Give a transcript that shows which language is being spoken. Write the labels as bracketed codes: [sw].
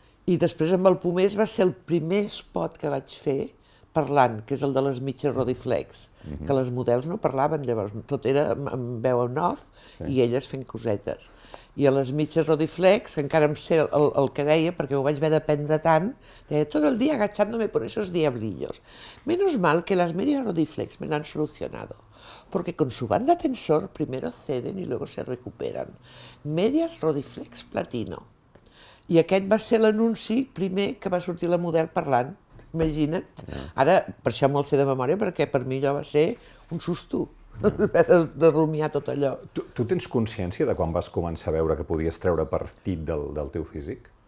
[ca] I després amb el Pomés va ser el primer spot que vaig fer parlant, que és el de les mitges Rodiflex, que les models no parlaven llavors, tot era amb veu en off i elles fent cosetes. I a les mitges Rodiflex, encara em sé el que deia, perquè ho vaig haver d'aprendre tant, deia tot el dia [es] agachándome por esos diablillos. Menos mal que las medias Rodiflex me lo han solucionado, porque con su banda tensor primero ceden y luego se recuperan. Medias Rodiflex Platino. [ca] I aquest va ser l'anunci primer que va sortir la model parlant, imagina't. Ara, per això me'l sé de memòria, perquè per mi allò va ser un susto, de rumiar tot allò. Tu tens consciència de quan vas començar a veure que podies treure partit del teu físic?